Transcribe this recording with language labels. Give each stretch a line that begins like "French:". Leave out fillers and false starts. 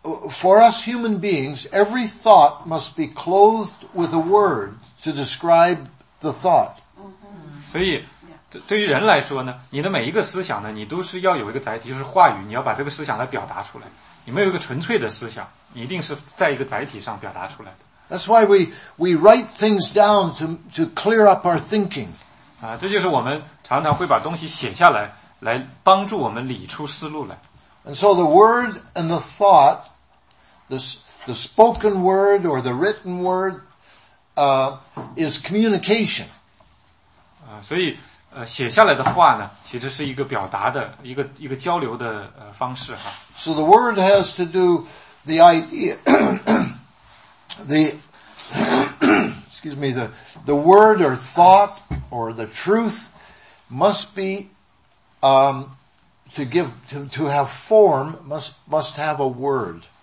English: For us human beings, every thought must be clothed with a word to describe the thought.
Chinese: 所以对于人来说呢，你的每一个思想呢，你都是要有一个载体，就是话语，你要把这个思想来表达出来。你没有一个纯粹的思想，一定是在一个载体上表达出来的。
English: That's why we write things down to clear up our thinking.
Chinese: 这就是我们常常会把东西写下来，来帮助我们理出思路来。
English: And so the word and the thought, the spoken word or the written word, is communication.
Chinese: 所以写下来的话呢，其实是一个表达的一个交流的方式哈。
English: So the word has to do the idea, the word or thought or the truth must be, to have form, must have a word.